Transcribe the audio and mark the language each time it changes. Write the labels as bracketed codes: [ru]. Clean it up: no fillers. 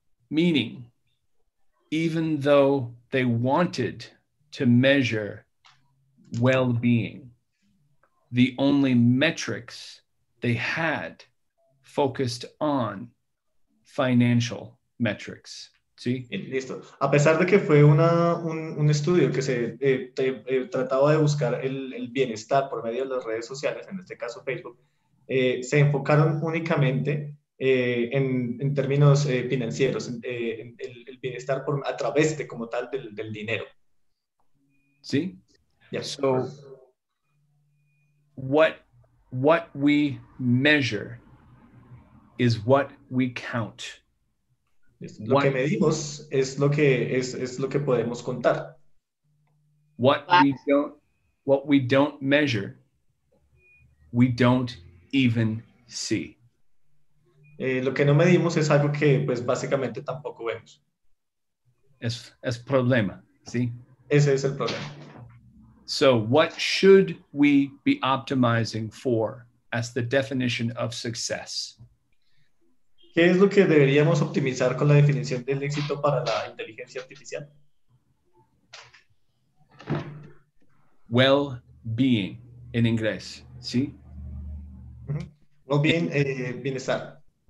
[en] Meaning, even though they wanted to measure well-being, the only metrics they had focused on financial metrics. [es] Sí. Listo. A pesar de que fue un estudio que se trataba de buscar el bienestar por medio de las redes sociales, en este caso Facebook, se enfocaron únicamente en términos financieros, el bienestar a través de como tal del dinero. Sí. [en] Yeah. So, what we measure is what we count. [es] Lo que medimos es lo que podemos contar. [en] What we don't measure, we don't even see. [es] Lo que no medimos es algo que pues básicamente tampoco vemos. Es problema, ¿sí? Ese es el problema. [en] So what should we be optimizing for as the definition of success? [es] ¿Qué es lo que deberíamos optimizar con la definición del éxito para la inteligencia artificial? Well-being, en inglés, ¿sí? Mm-hmm. Well-being, bienestar.